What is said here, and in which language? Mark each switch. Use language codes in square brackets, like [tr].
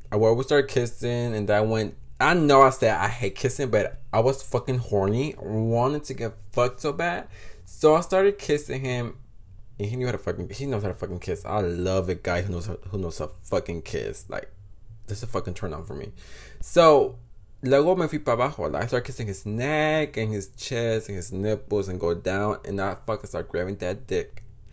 [en] Well, we start kissing, and that went. I know I said I hate kissing, but I was fucking horny, wanted to get fucked so bad. So I started kissing him, and he knows how to fucking kiss. I love a guy who knows how to fucking kiss. Like, this is a fucking turn on for me. [es] So, luego me fui para abajo. [en] I started kissing his neck and his chest and his nipples and go down, and I fucking start grabbing that dick.